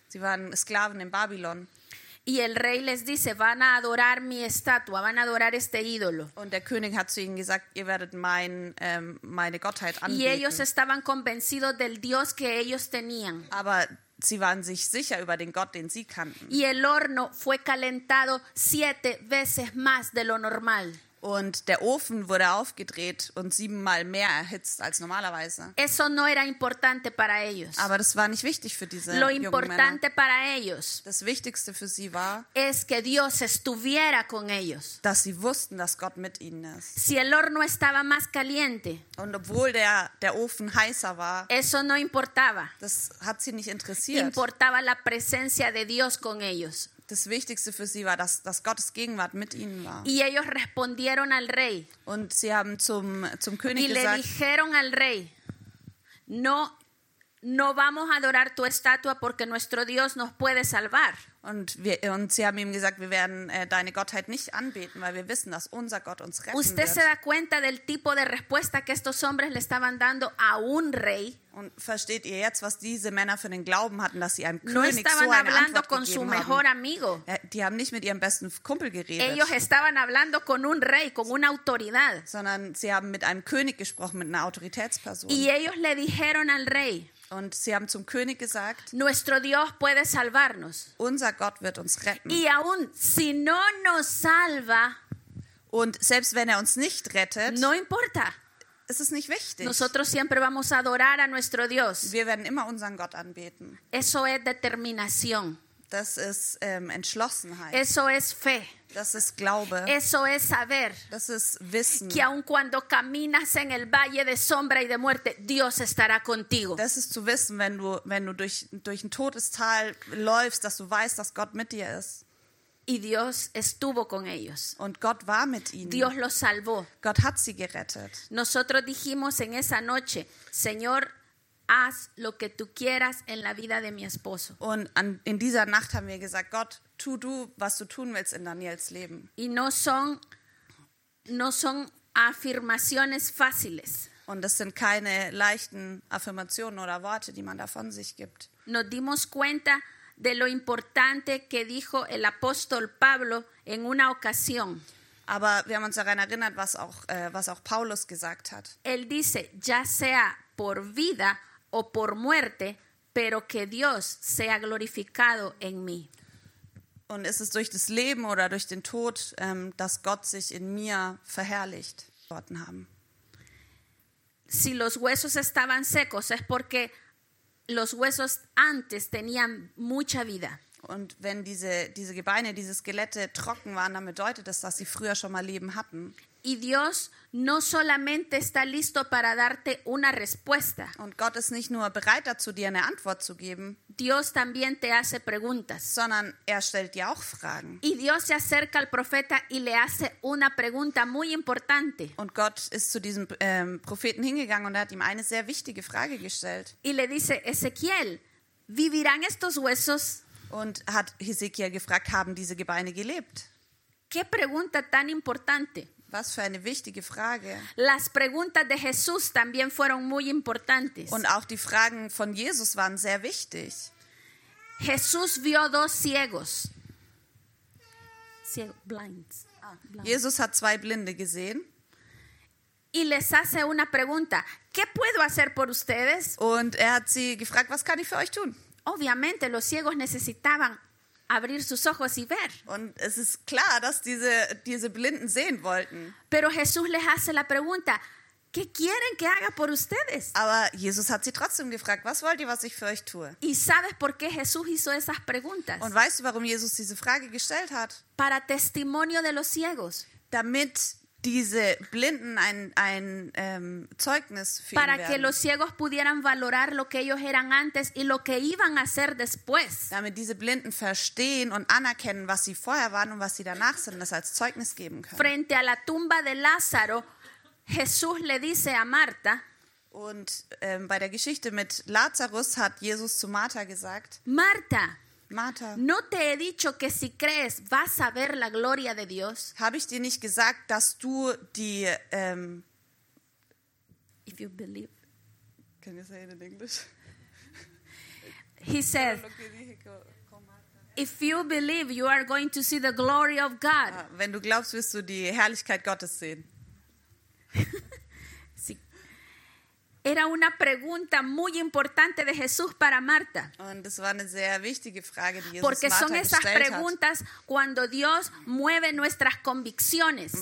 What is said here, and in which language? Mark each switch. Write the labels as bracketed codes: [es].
[de] Sie waren Sklaven in Babylon. [es] Y el rey les dice, van a adorar mi estatua, van a adorar este ídolo. [de] Und der König hat zu ihnen gesagt, ihr werdet meine Gottheit anbeten. [es] Y ellos estaban convencidos del Dios que ellos tenían. [de] Aber sie waren sich sicher über den Gott, den sie kannten. [es] Y el horno fue calentado 7 veces más de lo normal. [de] Und der Ofen wurde aufgedreht und 7-mal mehr erhitzt als normalerweise. [es] Eso no era importante para ellos. [de] Aber das war nicht wichtig für diese [es] lo importante [de] jungen Männer. [es] Para ellos [de] das Wichtigste für sie war, [es] es que Dios estuviera con ellos. [de] Dass sie wussten, dass Gott mit ihnen ist. [es] Si el horno estaba más caliente, [de] und obwohl der Ofen heißer war, [es] eso no importaba. [de] Das hat sie nicht interessiert. [es] Importaba la presencia de Dios con ellos. [de] Das Wichtigste für sie war, dass Gottes Gegenwart mit ihnen war. [es] Y ellos respondieron al rey. [de] Und sie haben zum König [es] y le [de] gesagt, [es] dijeron al rey, no vamos a adorar tu estatua porque nuestro Dios nos puede salvar. [de] Und sie haben ihm gesagt, wir werden deine Gottheit nicht anbeten, weil wir wissen, dass unser Gott uns retten [es] Usted [de] wird. [es] Se da cuenta del tipo de respuesta que estos hombres le estaban dando a un rey. [de] Und versteht ihr jetzt, was diese Männer für den Glauben hatten, dass sie einem [es] no [de] König so eine Antwort [es] hablando con [de] gegeben [es] su mejor [de] haben? [es] Amigo. [de] Die haben nicht mit ihrem besten Kumpel geredet. [es] Ellos estaban hablando con un rey, con una autoridad. [de] Sondern sie haben mit einem König gesprochen, mit einer Autoritätsperson. [es] Y ellos le dijeron al rey, [de] und sie haben zum König gesagt, [es] nuestro Dios puede salvarnos. [de] Unser Gott wird uns retten. [es] Y aun si no nos salva, [de] und selbst wenn er uns nicht rettet, [es] no importa. [de] Es ist nicht wichtig. [es] Nosotros siempre vamos a adorar a nuestro Dios. [de] Wir werden immer unseren Gott anbeten. [es] Eso es determinación. [de] Das ist Entschlossenheit. [es] Eso es fe. [de] Das ist Glaube. [es] Eso es saber. [de] Das ist Wissen. [es] Que aun cuando caminas en el valle de sombra y de muerte, Dios estará contigo. [de] Das ist zu wissen, wenn du durch ein Todestal läufst, dass du weißt, dass Gott mit dir ist. [es] Y Dios estuvo con ellos. [de] Und Gott war mit ihnen. [es] Dios los salvó. [de] Gott hat sie gerettet. [es] Nosotros dijimos en esa noche, Señor, haz lo que tú quieras en la vida de mi esposo. [de] Und in dieser Nacht haben wir gesagt, Gott, tu du, was du tun willst in Daniels Leben. [es] Y no son afirmaciones fáciles. [de] Und das sind keine leichten Affirmationen oder Worte, die man da von sich gibt. [es] Nos dimos cuenta de lo importante que dijo el apóstol Pablo en una ocasión. [de] Aber wir haben uns daran erinnert, was auch Paulus gesagt hat. [es] Él dice, ya sea por vida o por muerte, pero que Dios sea glorificado en mí. [de] Und ist es durch das Leben oder durch den Tod, dass Gott sich in mir verherrlicht, Worten haben. [es] Si los huesos estaban secos, es porque los huesos antes tenían mucha vida. [de] Und wenn diese Gebeine, diese Skelette trocken waren, dann bedeutet das, dass sie früher schon mal Leben hatten. [es] Y Dios no solamente está listo para darte una respuesta. [de] Und Gott ist nicht nur bereit dazu, dir eine Antwort zu geben. [es] Dios también te hace preguntas. [de] Sondern er stellt dir auch Fragen. [es] Y Dios se acerca al profeta y le hace una pregunta muy importante. [de] Und Gott ist zu diesem Propheten hingegangen und hat ihm eine sehr wichtige Frage gestellt. [es] Y le dice, Ezequiel, ¿vivirán estos huesos? [de] Und hat Hesekiel gefragt, haben diese Gebeine gelebt? [es] ¿Qué pregunta tan importante? [de] Was für eine wichtige Frage. [es] Las preguntas de Jesús también fueron muy importantes. [de] Und auch die Fragen von Jesus waren sehr wichtig. [es] Jesús vio dos ciegos. [en] Blinds. [de] Jesus hat zwei Blinde gesehen. [es] Y les hace una pregunta. ¿Qué puedo hacer por ustedes? [de] Und er hat sie gefragt, was kann ich für euch tun? [es] Obviamente, los ciegos necesitaban abrir sus ojos y ver. [de] Und es ist klar, dass diese Blinden sehen wollten. [es] Pero Jesús les hace la pregunta, ¿qué quieren que haga por ustedes? [de] Aber Jesus hat sie trotzdem gefragt, was wollt ihr, was ich für euch tue? [es] ¿Y sabes por qué Jesús hizo esas preguntas? [de] Und weißt du, warum Jesus diese Frage gestellt hat? [es] Para testimonio de los ciegos. [de] Damit diese Blinden ein Zeugnis für ihn werden. [es] Para que los ciegos pudieran valorar lo que ellos eran antes y lo que iban a hacer después. [de] Damit diese Blinden verstehen und anerkennen, was sie vorher waren und was sie danach sind, das als Zeugnis geben können. [es] Frente a la tumba de Lázaro, Jesús le dice a Marta. [de] Und bei der Geschichte mit Lazarus hat Jesus zu Martha gesagt. [es] Marta. [de] Martha, [es] ¿no te he dicho que si crees vas a ver la gloria de Dios? [de] Habe ich dir nicht gesagt, dass du die [en] if you believe. Can you say it in English? He said, if you believe, you are going to see the glory of God. [de] Wenn du glaubst, wirst du die Herrlichkeit Gottes sehen. [es] Era una pregunta muy importante de Jesús para Marta. [de] Und es war eine sehr wichtige Frage, die Jesus [es] Porque [de] Martha [es] son esas preguntas [de] hat. [es] Cuando Dios mueve nuestras convicciones.